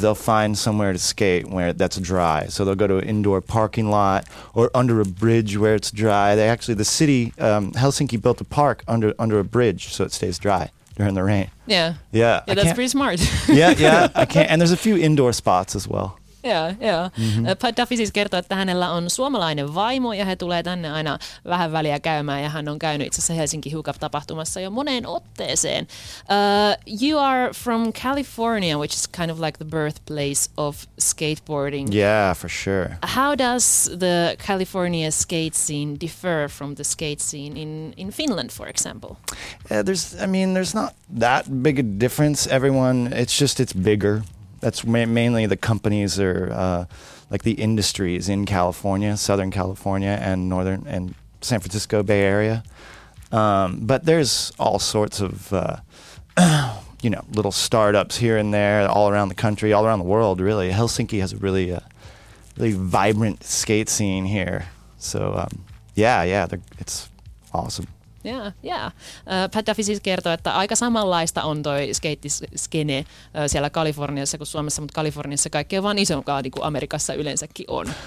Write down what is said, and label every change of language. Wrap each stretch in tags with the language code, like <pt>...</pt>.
<en>They'll find somewhere to skate where that's dry. So they'll go to an indoor parking lot or under a bridge where it's dry. The city, Helsinki built a park under a bridge so it stays dry during the rain. Yeah, that's pretty smart. yeah, I can't. And there's a few indoor spots as well. Yeah. Mm-hmm.</en> <fi>Pat Duffy siis kertoo, että hänellä on suomalainen vaimo ja he tulee tänne aina vähän väliä käymään ja hän on käynyt itse asiassa Helsinki Hookup-tapahtumassa jo moneen otteeseen.</fi> <en>You are from California, which is kind of like the birthplace of skateboarding. Yeah, for sure. How does the California skate scene differ from the skate scene in Finland, for example? There's not that big a difference, everyone. It's just it's bigger. That's mainly the companies are like the industries in California, Southern California and Northern and San Francisco Bay Area. But there's all sorts of, little startups here and there all around the country, all around the world, really. Helsinki has a really, really vibrant skate scene here. So, it's awesome. Yeah.</en> <fi>Pat Duffy siis kertoo, että aika samanlaista on toi skeittiskene siellä Kaliforniassa kuin Suomessa, mutta Kaliforniassa kaikki on vaan isompaa, niin kuin Amerikassa yleensäkin on.</fi>